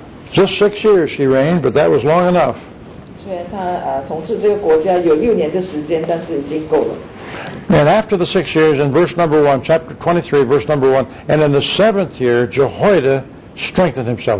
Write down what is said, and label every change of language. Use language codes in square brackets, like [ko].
[en] Just 6 years she reigned, but that was long enough. [zh] 所以他统治这个国家有六年的时间，但是已经够了。 [en] And after the 6 years, in verse number 1, chapter 23, verse number 1, and in the 7th year, Jehoiada strengthened himself.